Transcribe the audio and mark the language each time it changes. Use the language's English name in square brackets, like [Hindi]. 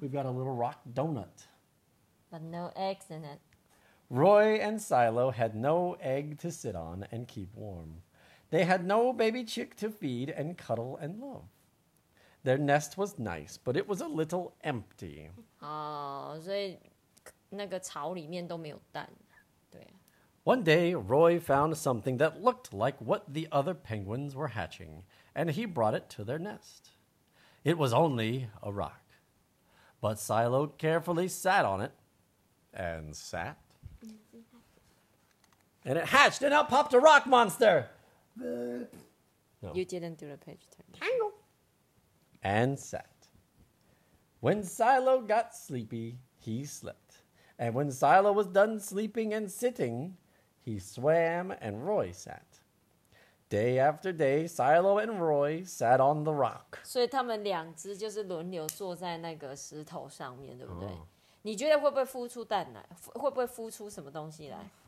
[English] We've got a little rock donut. But no eggs in it. Roy and Silo had no egg to sit on and keep warm. They had no baby chick to feed and cuddle and love. Their nest was nice, but it was a little empty. [Chinese] So 那个巢里面都没有蛋。对。 [English] One day, Roy found something that looked like what the other penguins were hatching, and he brought it to their nest. It was only a rock. But Silo carefully sat on it, and sat. And it hatched, and out popped a rock monster! No. You didn't do the page turn. Tango! And sat. When Silo got sleepy, he slept. And when Silo was done sleeping and sitting, he swam and Roy sat. Day after day, Silo and Roy sat on the rock. [Chinese] 所以他们两只就是轮流坐在那个石头上面，对不对？你觉得会不会孵出蛋来？会不会孵出什么东西来？